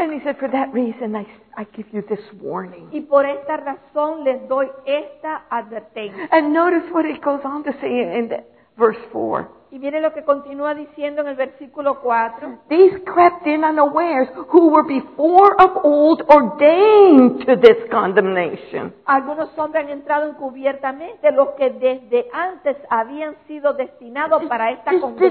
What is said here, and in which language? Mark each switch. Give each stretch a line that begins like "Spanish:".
English: And he said, for that reason, I give you this warning.
Spanish: Y por esta razón les doy esta advertencia.
English: And notice what it goes on to say in the verse 4.
Spanish: Y viene lo que continúa diciendo en el versículo 4.
English: These crept in unawares who were before of old ordained to this condemnation.
Spanish: Algunos hombres han entrado encubiertamente, los que desde antes habían sido destinados para esta condenación.